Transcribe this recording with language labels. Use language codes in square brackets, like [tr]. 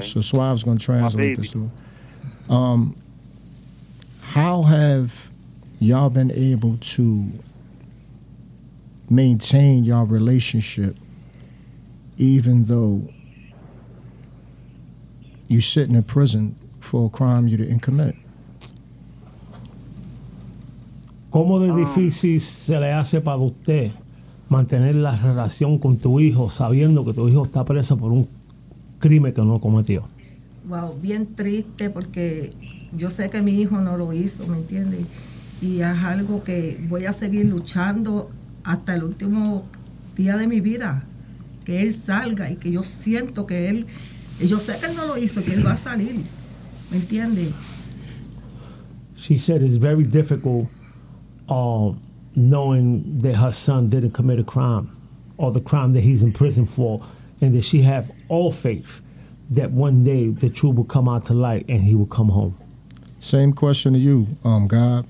[en] So Suave's going to translate this to her. How have y'all been able to maintain y'all relationship even though you sit in a prison for a crime you didn't commit? [es] ¿Cómo de difícil se le hace para usted mantener la relación con tu hijo sabiendo que tu hijo está preso por un crimen que no cometió? Wow, bien triste porque yo sé que mi hijo no lo hizo, ¿me entiendes? Y es algo que voy a seguir luchando hasta el último día de mi vida, que él salga y que yo siento que él, yo sé que él no lo hizo, que él va a salir, ¿me entiendes? [en] She said it's very difficult knowing that her son didn't commit a crime or the crime that he's in prison for, and that she have all faith that one day the truth will come out to light and he will come home. Same question to you, God.